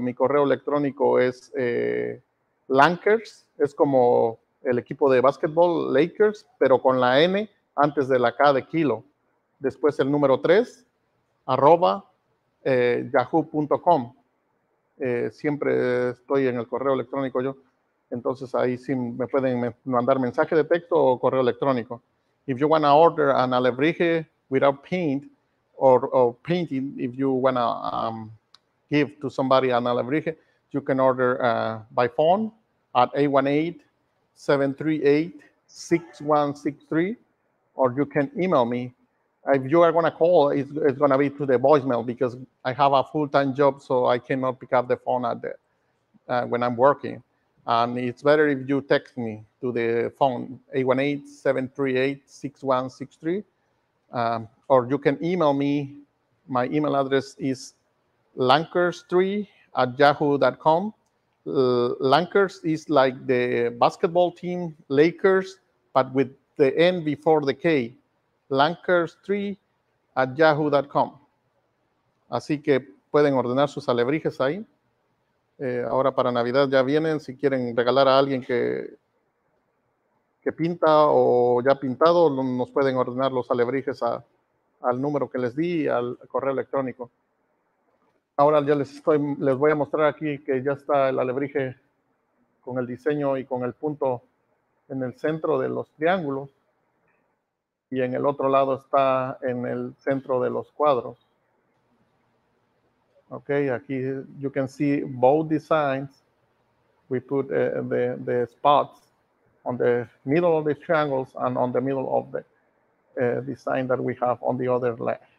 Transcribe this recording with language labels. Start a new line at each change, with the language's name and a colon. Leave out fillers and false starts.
Spanish: Mi correo electrónico es Lakers, es como el equipo de básquetbol Lakers, pero con la N antes de la K de kilo. Después el número 3, arroba yahoo.com. Siempre estoy en el correo electrónico yo. Entonces ahí sí me pueden mandar mensaje de texto o correo electrónico.
English: If you want to order an alebrije without paint, or painting, if you want to give to somebody an alebrije, you can order by phone at 818-738-6163, or you can email me. If you are going to call, it's going to be to the voicemail because I have a full-time job, so I cannot pick up the phone at the, when I'm working. And it's better if you text me to the phone, 818-738-6163. Or you can email me. My email address is lankers3@yahoo.com. Lankers is like the basketball team, Lakers, but with the N before the K. lankers3@yahoo.com.
Spanish: Así que pueden ordenar sus alebrijes ahí. Ahora para Navidad ya vienen. Si quieren regalar a alguien que pinta o ya pintado, nos pueden ordenar los alebrijes al número que les di, al correo electrónico. Ahora ya les voy a mostrar aquí que ya está el alebrije con el diseño y con el punto en el centro de los triángulos. Y en el otro lado está en el centro de los cuadros.
English: Ok,
Spanish: aquí
English: you can see both designs. We put the spots on the middle of the triangles and on the middle of the design that we have on the other leg.